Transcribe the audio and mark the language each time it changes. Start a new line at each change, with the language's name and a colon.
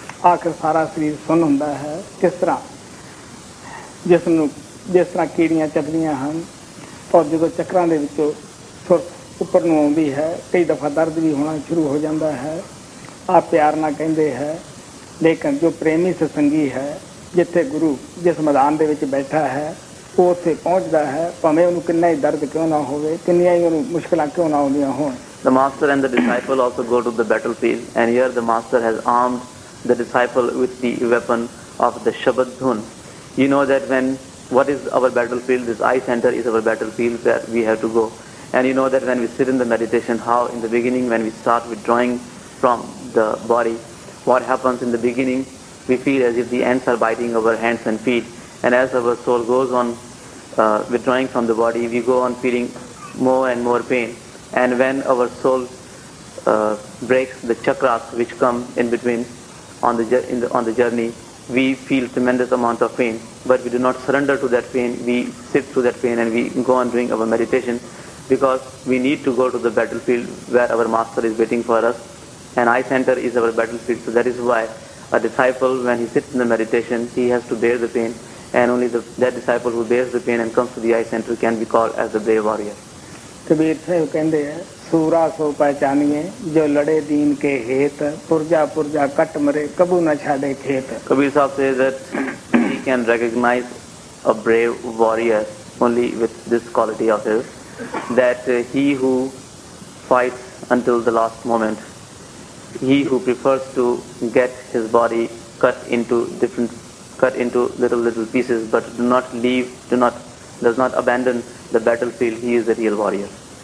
Punjabi: ਆਖਿਰ ਸਾਰਾ ਸਰੀਰ ਸੁੰਨ ਹੁੰਦਾ ਹੈ ਕਿਸ ਤਰ੍ਹਾਂ ਜਿਸ ਨੂੰ ਜਿਸ ਤਰ੍ਹਾਂ ਕੀੜੀਆਂ ਚੱਕਦੀਆਂ ਹਨ ਔਰ ਜਦੋਂ ਚੱਕਰਾਂ ਦੇ ਵਿੱਚੋਂ ਸੁਰ ਉੱਪਰ ਨੂੰ ਆਉਂਦੀ ਹੈ ਕਈ ਦਫ਼ਾ ਦਰਦ ਵੀ ਹੋਣਾ ਸ਼ੁਰੂ ਹੋ ਜਾਂਦਾ ਹੈ ਆਹ ਪਿਆਰ ਨਾਲ ਕਹਿੰਦੇ ਹੈ ਲੇਕਿਨ ਜੋ ਪ੍ਰੇਮੀ ਸਤਸੰਗੀ ਹੈ ਜਿੱਥੇ ਗੁਰੂ ਜਿਸ ਮੈਦਾਨ ਦੇ ਵਿੱਚ ਬੈਠਾ ਹੈ ਉਹ ਉੱਥੇ ਪਹੁੰਚਦਾ ਹੈ ਭਾਵੇਂ ਉਹਨੂੰ ਕਿੰਨਾ ਹੀ ਦਰਦ ਕਿਉਂ ਨਾ ਹੋਵੇ ਕਿੰਨੀਆਂ ਹੀ ਉਹਨੂੰ ਮੁਸ਼ਕਲਾਂ ਕਿਉਂ ਨਾ ਆਉਂਦੀਆਂ ਹੋਣ
English: The master and the disciple also go to the battle field and here the master has armed the disciple with the weapon of the Shabad Dhun. You know that when, what is our battlefield? This eye center is our battlefield where we have to go. And you know that when we sit in the meditation, how in the beginning when we start withdrawing from the body, what happens in the beginning? We feel as if the ants are biting our hands and feet. And as our soul goes on withdrawing from the body, we go on feeling more and more pain. And when our soul breaks the chakras which come in between, on the journey, we feel tremendous amount of pain, but we do not surrender to that pain. We sit through that pain and we go on doing our meditation, because we need to go to the battlefield where our master is waiting for us, and eye center is our battlefield. So that is why a disciple, when he sits in the meditation, he has to bear the pain, and only that disciple who bears the pain and comes to the eye center can be called as the brave warrior.
Punjabi: Kabir Sahib kehnde hai ਸੂਰਾ ਸੋ ਪਹਿਚਾਨੀਏ ਜੋ ਲੜੇ ਦੀਨ ਕੇ ਹੇਤ ਪੁਰਜਾ ਪੁਰਜਾ ਕੱਟ ਮਰੇ ਕਬੂ ਨਾ ਛਾੜੇ ਖੇਤ
English: Kabir Sahib says that he can recognize a brave warrior only with this quality of his that he who fights until the last moment he who prefers to get his body cut into little little pieces but do not abandon the battle field he is a real warrior